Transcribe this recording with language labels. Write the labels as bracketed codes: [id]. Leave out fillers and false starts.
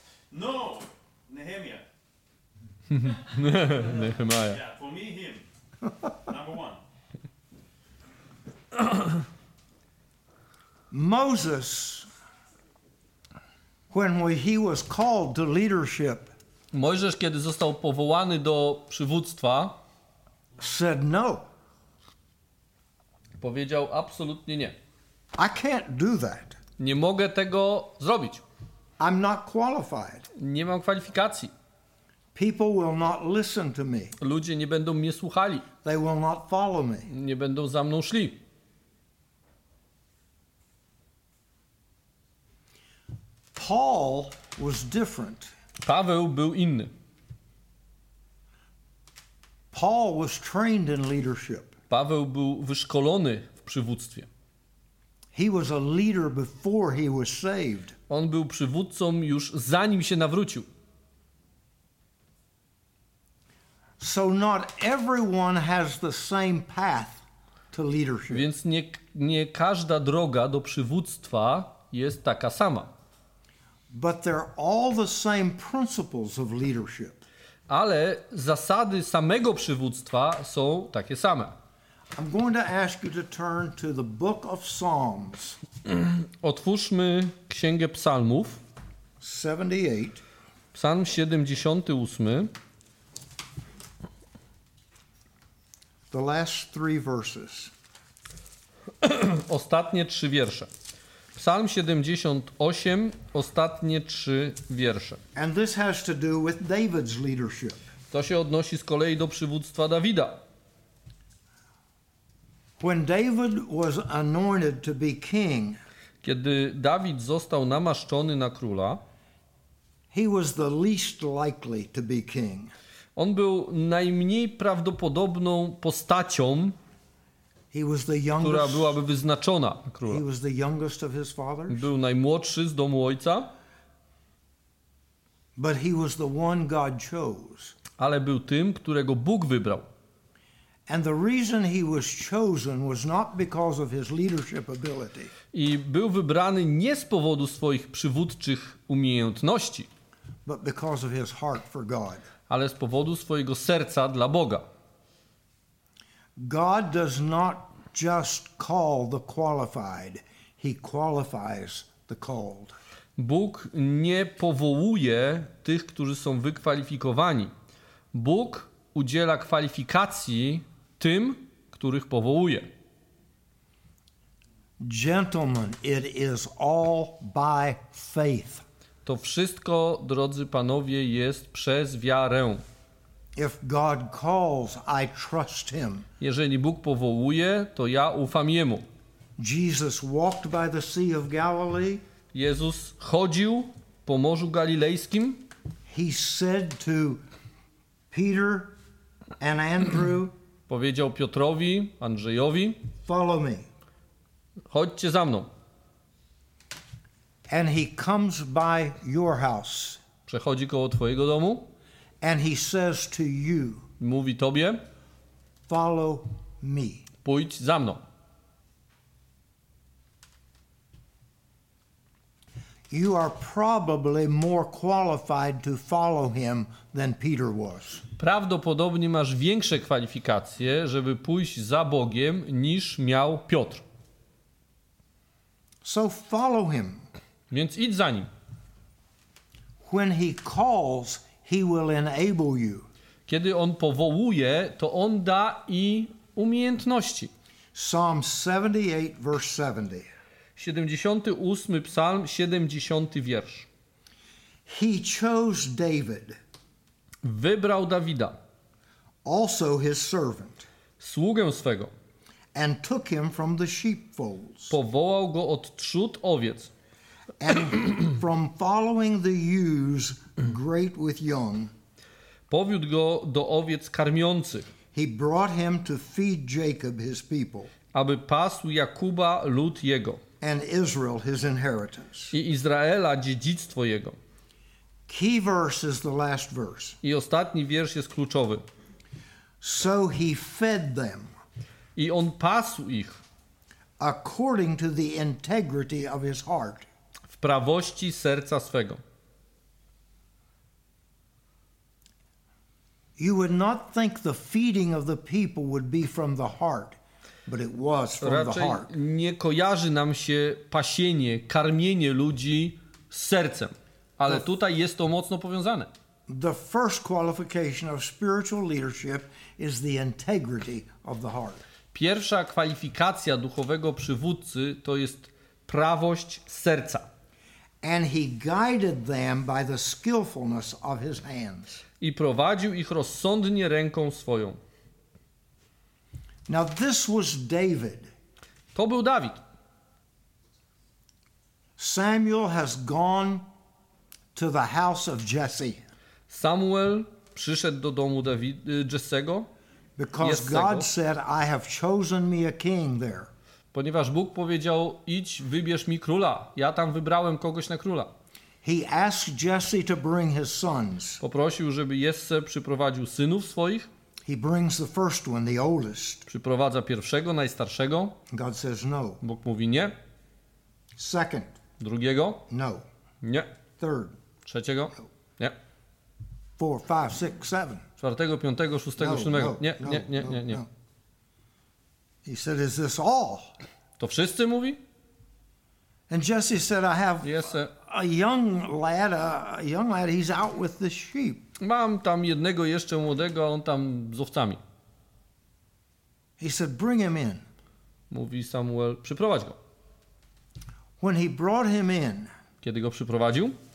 [en] No, Nehemiah. Nehemiah. Yeah, for me, him. Number one. Moses, when he was called to leadership, [pl] Mojżesz, kiedy został powołany do przywództwa, [en] said no. [pl] Powiedział absolutnie nie. [en] I can't do that. [pl] Nie mogę tego zrobić. [en] I'm not qualified. [pl] Nie mam kwalifikacji. [en] People will not listen to me. [pl] Ludzie nie będą mnie słuchali. [en] They will not follow me. [pl] Nie będą za mną szli. [en] Paul was different. [pl] Paweł był inny. [en] Paul was trained in leadership. [pl] Paweł był wyszkolony w przywództwie. [en] He was a leader before he was saved. [pl] On był przywódcą już zanim się nawrócił. [en] So not everyone has the same path to leadership. [pl] Więc nie każda droga do przywództwa jest taka sama. [en] But they're all the same principles of leadership. [pl] Ale zasady samego przywództwa są takie same. [en] I'm going to ask you to turn to the book of Psalms. [pl] Otwórzmy Księgę Psalmów. [en] 78. Psalm 78. The last three verses. [pl] Ostatnie trzy wiersze. Psalm 78, ostatnie trzy wiersze. [en] And this has to do with David's leadership. [pl] To się odnosi z kolei do przywództwa Dawida. [en] When David was anointed to be king, [pl] kiedy Dawid został namaszczony na króla, [en] he was the least likely to be king. [pl] On był najmniej prawdopodobną postacią, która byłaby wyznaczona na króla. [en] He was the youngest of his fathers. [pl] Był najmłodszy z domu ojca, [en] but he was the one God chose. [pl] Ale był tym, którego Bóg wybrał. [en] And the reason he was chosen was not because of his leadership ability. [pl] I był wybrany nie z powodu swoich przywódczych umiejętności, [en] but because of his heart for God. [pl] Ale z powodu swojego serca dla Boga. [en] God does not just call the qualified, he qualifies the called. [pl] Bóg nie powołuje tych, którzy są wykwalifikowani. Bóg udziela kwalifikacji tym, których powołuje. [en] Gentlemen, it is all by faith. [pl] To wszystko, drodzy panowie, jest przez wiarę. [en] If God calls, I trust him. [pl] Jeżeli Bóg powołuje, to ja ufam jemu. [en] Jesus walked by the Sea of Galilee. [pl] Jezus chodził po Morzu Galilejskim. [en] He said to Peter and Andrew, [pl] powiedział Piotrowi, Andrzejowi, [en] follow me. [pl] Chodźcie za mną. [en] And he comes by your house. [pl] Przechodzi koło twojego domu. [en] And he says to you, [pl] mówi tobie, [en] follow me. [pl] Pójdź za mną. [en] You are probably more qualified to follow him than Peter was. [pl] Prawdopodobnie masz większe kwalifikacje, żeby pójść za Bogiem, niż miał Piotr. [en] So follow him. [pl] Więc idź za nim. [en] When he calls, he will enable you. [pl] Kiedy on powołuje, to on da i umiejętności. [en] Psalm 78, verse 70. [pl] 78 psalm, 70 wiersz. [en] He chose David. [pl] Wybrał Dawida. [en] Also his servant. [pl] Sługę swego. [en] And took him from the sheepfolds. [pl] Powołał go od trzód owiec. [en] And from following the ewes great with young. [pl] Powiódł go do owiec karmiących. [en] He brought him to feed Jacob his people. [pl] Aby pasł Jakuba lud jego. [en] And Israel his inheritance. [pl] I Izraela dziedzictwo jego. [en] Key verse is the last verse. [pl] I ostatni wiersz jest kluczowy. [en] So he fed them. [pl] I on pasł ich. [en] According to the integrity of his heart. [pl] W prawości serca swego. [en] You would not think the feeding of the people would be from the heart, but it was from [pl] Raczej [en] the heart. [pl] Nie kojarzy nam się pasienie, karmienie ludzi z sercem, ale tutaj jest to mocno powiązane. [en] The first qualification of spiritual leadership is the integrity of the heart. [pl] Pierwsza kwalifikacja duchowego przywódcy to jest prawość serca. [en] And he guided them by the skillfulness of his hands. [pl] I prowadził ich rozsądnie ręką swoją. [en] Now this was David. [pl] To był Dawid. [en] Samuel has gone to the house of Jesse. [pl] Samuel przyszedł do domu Jessego. [en] Because God said, I have chosen me a king there. [pl] Ponieważ Bóg powiedział, idź, wybierz mi króla. Ja tam wybrałem kogoś na króla. [en] He asked Jesse to bring his sons. [pl] Poprosił, żeby Jesse przyprowadził synów swoich. [en] He brings the first one, the oldest. [pl] Przyprowadza pierwszego, najstarszego. [en] God says no. [pl] Bóg mówi nie. [en] Second. [pl] Drugiego. [en] No. [pl] Nie. [en] Third. [pl] Trzeciego. [en] No. [pl] Nie. [en] Four, five, six, seven. [pl] Czwartego, piątego, szóstego, [en] no, [pl] siódmego. [en] No, [pl] nie, [en] no, [pl] nie, nie, nie, nie. [en] No. He said, "Is this all?" [pl] To wszyscy mówi? [en] And Jesse said, "I have a young lad. He's out with the sheep." [pl] Mam tam jednego jeszcze młodego, a on tam z owcami. [en] He said, "Bring him in." [pl] Mówi Samuel, przyprowadź go. [en] When he brought him in, [pl] kiedy go przyprowadził,